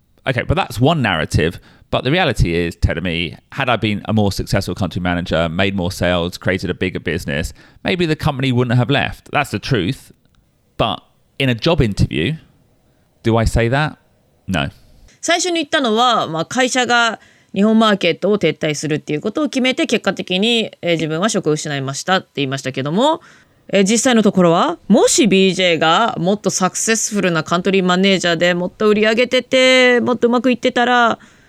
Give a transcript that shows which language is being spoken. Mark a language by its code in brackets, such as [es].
[en] Okay, but that's one narrative. But the reality is, tell me, had I been a more successful country manager, made more sales, created a bigger business, maybe the company wouldn't have left. That's the truth. But in a job interview, do I say that? No. [ja] 最初に言ったのは、まあ、会社が日本マーケットを撤退するっていうことを決めて結果的に、自分は職を失いましたって言いましたけども、実際のところはもし BJ がもっとサクセスフルなカントリーマネージャーでもっと売り上げててもっとうまくいってたら